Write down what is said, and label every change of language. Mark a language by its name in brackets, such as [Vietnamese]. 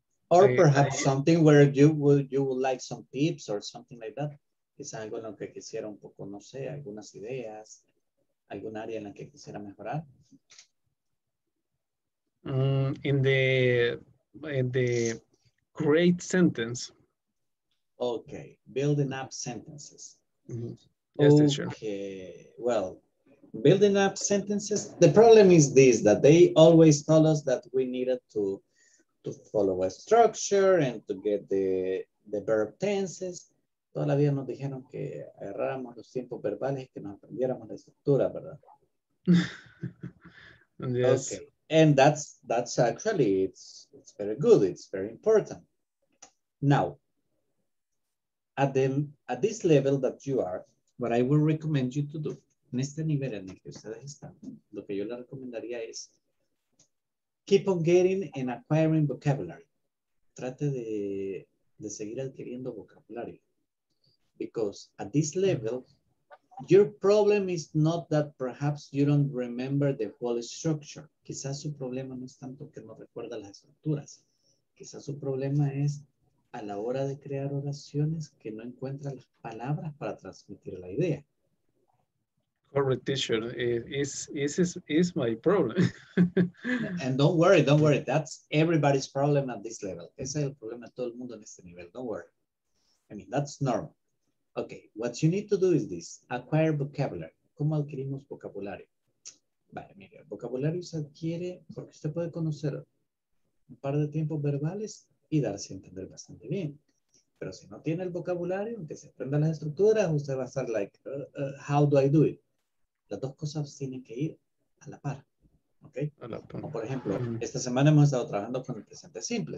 [English] Or perhaps something where you would like some tips or something like that. [Spanish] Quizá algo en lo que quisiera un poco, no sé, algunas ideas, algún área en la que quisiera mejorar. [English] In the create sentence. Okay, building up sentences. Mm-hmm. Yes, teacher. Okay, well, building up sentences. The problem is this, that they always tell us that we needed to follow a structure and to get the verb tenses. [Spanish] Toda la vida nos dijeron que agarráramos los tiempos verbales y que nos aprendiéramos la estructura, ¿verdad? [English] Yes. Okay. And that's actually, it's very good. It's very important. Now, at this level that you are, what I will recommend you to do, [Spanish] en este nivel en el que ustedes están, lo que yo le recomendaría es [English] keep on getting and acquiring vocabulary. [Spanish] Trate de seguir adquiriendo vocabulary. [English] Because at this level, your problem is not that perhaps you don't remember the whole structure. [Spanish] Quizás su problema no es tanto que no recuerda las estructuras. Quizás su problema es a la hora de crear oraciones que no encuentra las palabras para transmitir la idea. [English] Correct, teacher. This is my problem. And don't worry. That's everybody's problem at this level. [Spanish] Ese es el problema de todo el mundo en este nivel. [English] Don't worry. I mean, that's normal. Okay, what you need to do is this. Acquire vocabulary. [Spanish] ¿Cómo adquirimos vocabulario? Vale, mire, vocabulario se adquiere porque usted puede conocer un par de tiempos verbales y darse a entender bastante bien. Pero si no tiene el vocabulario, aunque se aprenda las estructuras, usted va a estar [English] like, how do I do it? [Spanish] Las dos cosas tienen que ir a la par. ¿Ok? Como por ejemplo, esta semana hemos estado trabajando con el presente simple.